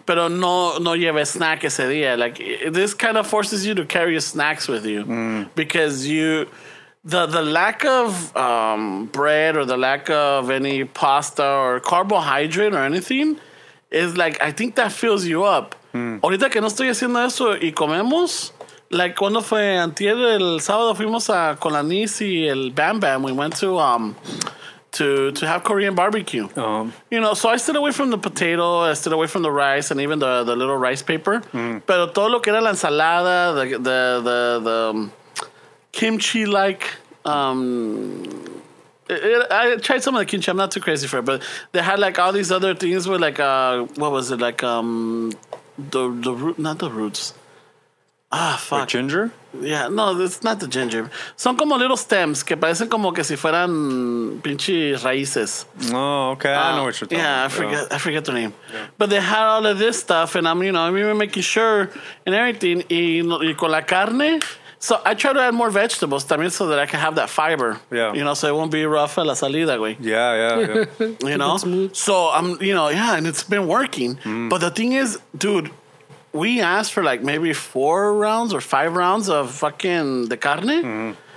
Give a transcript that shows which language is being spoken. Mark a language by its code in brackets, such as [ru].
[es] Pero no, no lleve snack ese día. [en] Like, this kind of forces you to carry your snacks with you because you, the lack of bread or the lack of any pasta or carbohydrate or anything is like, I think that fills you up. [es] Ahorita que no estoy haciendo eso y comemos. Like, cuando fue antier, el sábado fuimos a con la niece y el Bam Bam. [en] We went to have Korean barbecue. You know, so I stayed away from the potato, I stayed away from the rice, and even the little rice paper. [es] Pero todo lo que era la ensalada, [en] the kimchi like. I tried some of the kimchi. I'm not too crazy for it, but they had like all these other things with like what was it like the root, not the roots. Ah, fuck. Like ginger? Yeah, no, it's not the ginger. [es] Son como [en] little stems [es] que parecen como que si fueran pinche raíces. [en] Oh, okay. I know what you're talking about. Yeah, I forget the name. Yeah. But they had all of this stuff, and I'm, you know, I'm even making sure and everything. [es] Y con la carne, [en] so I try to add more vegetables también so that I can have that fiber. Yeah. You know, so it won't be rough [es] a la salida, [en] güey. Yeah. You know? So I'm, you know, yeah, and it's been working. But the thing is, dude, we asked for like maybe 4 rounds or 5 rounds of fucking the carne.